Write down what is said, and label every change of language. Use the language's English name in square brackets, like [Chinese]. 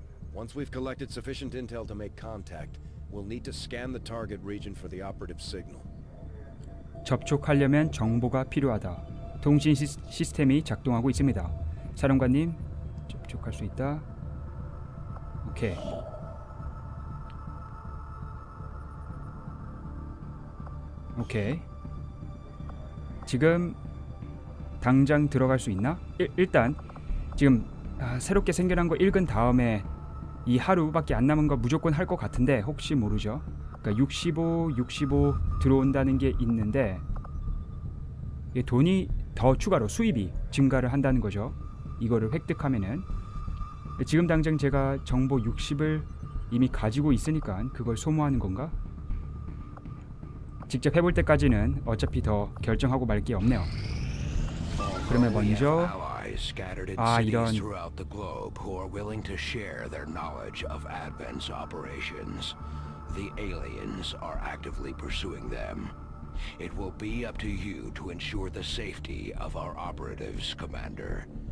[English] Once we've collected sufficient intel to make contact, we'll need to scan the target region for the operative signal. [Korean] 접촉하려면 정보가 필요하다. 통신 시스템이 작동하고 있습니다. 사령관님, 접촉할 수 있다. 오케이. 오케이. 지금 당장 들어갈 수 있나? 일단 지금 새롭게 생겨난 거 읽은 다음에 이 하루밖에 안 남은 거 무조건 할 것 같은데 혹시 모르죠? 그러니까 65 들어온다는 게 있는데 이 돈이 더 추가로 수입이 증가를 한다는 거죠. 이거를 획득하면은 지금 당장 제가 정보 60을 이미 가지고 있으니까 그걸 소모하는 건가? 직접 해볼 때까지는 어차피 더 결정하고 말 게 없네요. 그러면 먼저 이런 [English] throughout the globe who are willing to share their knowledge of Advent's operations. The aliens are actively pursuing them. It will be up to you to ensure the safety of our operatives, commander.